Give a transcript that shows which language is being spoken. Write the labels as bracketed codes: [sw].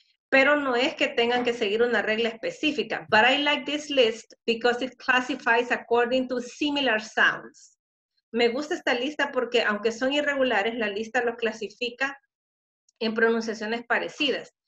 [es] Pero no es que tengan que seguir una regla específica. [en] But I like this list because it classifies according to similar sounds. [es] Me gusta esta lista porque aunque son irregulares, la lista los clasifica en pronunciaciones parecidas.